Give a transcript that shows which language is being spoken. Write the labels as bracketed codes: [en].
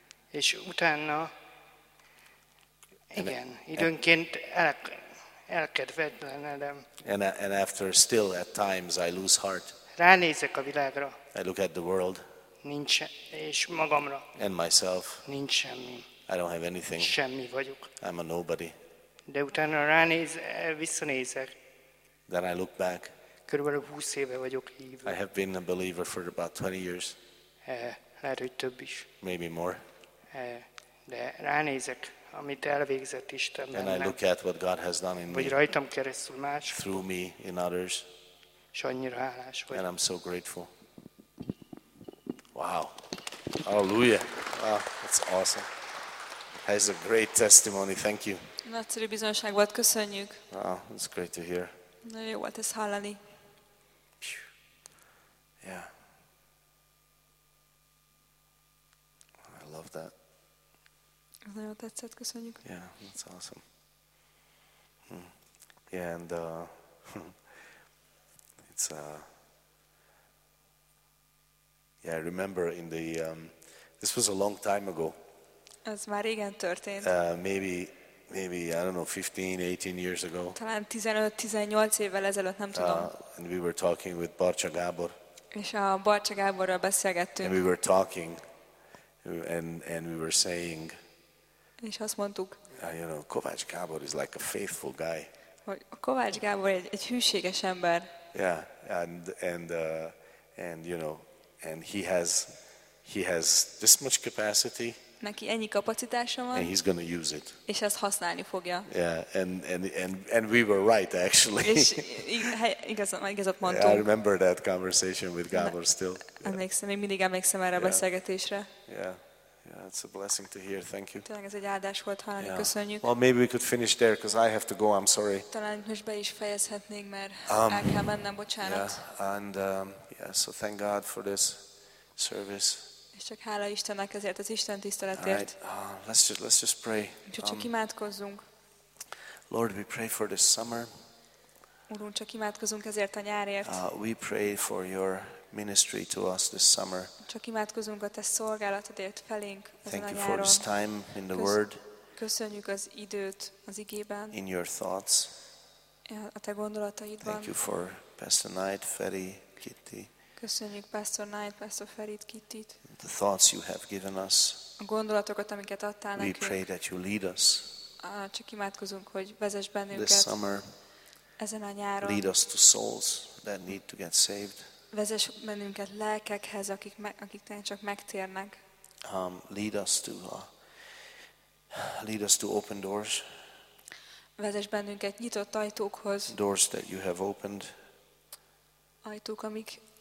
[hu] És utána igen, időnként elkedvetlenedem. [en] And after still at times I lose heart. [hu] Ránézek a világra. [en] I look at the world. [hu] Nincs, és magamra. [en] And myself. [hu] Nincs semmi. [en] I don't have anything. [hu] Semmi vagyok. [en] I'm a nobody. [hu] De utána ránéz, visszanézek. [en] Then I look back. [hu] Körülbelül 20 éve vagyok hívő. [en] I have been a believer for about 20 years. [hu] Lehet, hogy több is. [en] Maybe more. [hu] De ránézek, amit elvégzett Isten bennem. [en] And I look at what God has done in [hu] vagy [en] me. [hu] Rajtam keresztül más. [en] Through me in others. [hu] És annyira hálás vagyok. [en] And I'm so grateful. Wow. Hallelujah. Wow, that's awesome. That is a great testimony. Thank you. [hu] Nagyszerű bizonyság volt, köszönjük. [en] Wow, it's great to hear. [hu] Nagyon jó volt ezt hallani. [en] Yeah. I love that. [hu] Nagyon tetszett, köszönjük. [en] Yeah, that's awesome. Yeah, and it's yeah, I remember in the this was a long time ago. [hu] Ez már régen történt. [en] Maybe I don't know, 15, 18 years ago. [hu] Talán 15-18 évvel ezelőtt, nem tudom. [en] And we were talking with Barcsa Gábor. [hu] És a Barcsa Gáborral beszélgettünk. [en] And we were talking, and we were saying. [hu] És azt mondtuk. [en] You know, Kovács Gábor is like a faithful guy. [hu] Kovács Gábor egy hűséges ember. [en] Yeah, and you know, and he has this much capacity. [hu] Neki ennyi kapacitása van. [en] And he's going to use it. [hu] És ezt használni fogja. [en] Yeah, and we were right actually. [hu] És igazat mondtunk. [en] I remember that conversation with Gábor still. [hu] Emlékszem, én mindig emlékszem erre a beszélgetésre. [en] Yeah, it's a blessing to hear. Thank you. [hu] Tényleg ez egy áldás volt hallani. [en] Yeah. [hu] Köszönjük. [en] Well, maybe we could finish there because I have to go. I'm sorry. [hu] Talán most be is fejezhetnénk, mert el kell mennem, bocsánat. [en] Yeah, and yeah, so thank God for this service. [hu] És csak hála Istennek ezért az Isten tiszteletért. [en] Let's just pray. [hu] Csak imádkozzunk. [en] Lord, we pray for this summer. [hu] Urunk, csak imádkozunk ezért a nyárért. [en] We pray for your ministry to us this summer. [hu] Csak imádkozunk a te szolgálatodért felénk ezen a nyáron. [en] Thank you for this time in the Word. [hu] Köszönjük az időt az igében. [en] In your thoughts. [hu] A te gondolataidban. [en] Thank you for Pastor Knight, Feri, Kitty. [hu] Köszönjük Pastor Knight, Pastor Ferit, Kittit. [en] The thoughts you have given us. [hu] A gondolatokat, amiket adtál nekünk. [en] We pray that you lead us. [hu] Csak imádkozunk, hogy vezess bennünket. [en] This summer. [hu] Ezen a nyáron. [en] Lead us to souls that need to get saved. [hu] Vezess bennünket lelkekhez, akik csak megtérnek. [en] Lead us to open doors. [hu] Vezess bennünket nyitott ajtókhoz. [en] Doors that you have opened. [hu] Ajtók, amik.